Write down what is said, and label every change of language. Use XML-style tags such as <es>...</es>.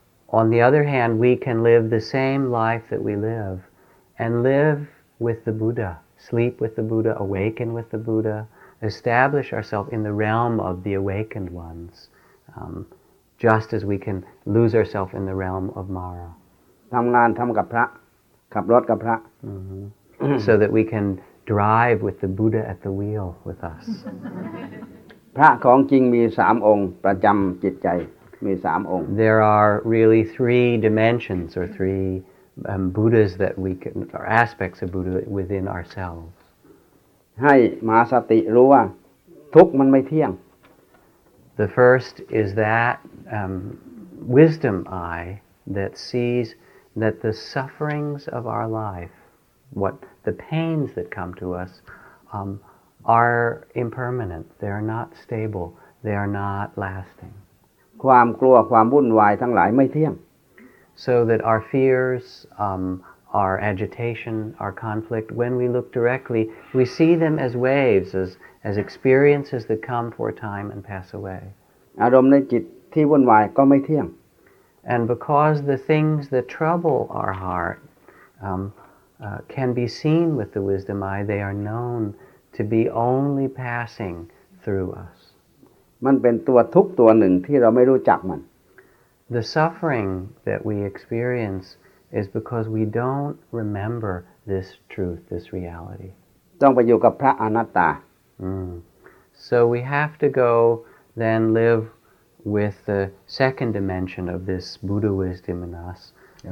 <en>On the other hand, we can live the same life that we live and live with the Buddha, sleep with the Buddha, awaken with the Buddha, establish ourselves in the realm of the awakened ones, just as we can lose ourselves in the realm of Mara.</en> <th>ทำงานทำกับพระขับรถกับพระ</th> <en>so that we can drive with the Buddha at the wheel with us.</en> <th>พระของจริงมี3องค์ประจําจิตใจมี3องค์</th> <en>There are really three dimensions or threebuddhas that we can or aspects of Buddha within ourselves.</en> <th>ให้มหาสติรู้ว่าทุกข์มันไม่เที่ยง</th> <en>The first is thatwisdom eye that sees that the sufferings of our life, what the pains that come to us, are impermanent. They are not stable. They are not lasting.</en> <th>ความกลัวความวุ่นวายทั้งหลายไม่เที่ยง</th> <en>So that our fears, our agitation, our conflict, when we look directly, we see them as waves, as experiences that come for a time and pass away.</en> <th>อารมณ์ในจิตที่วุ่นวายก็ไม่เที่ยง</th> <en>And because the things that trouble our heart can be seen with the wisdom eye, they are known to be only passing through us.</en> <th>มันเป็นตัวทุกข์ตัวหนึ่งที่เราไม่รู้จักมัน</th> <en>The suffering that we experience is because we don't remember this truth, this reality.</en> <th>ต้องไปอยู่กับพระอนัตตา</th> <en>So we have to go then live with the second dimension of this Buddha wisdom in us, yes.</en>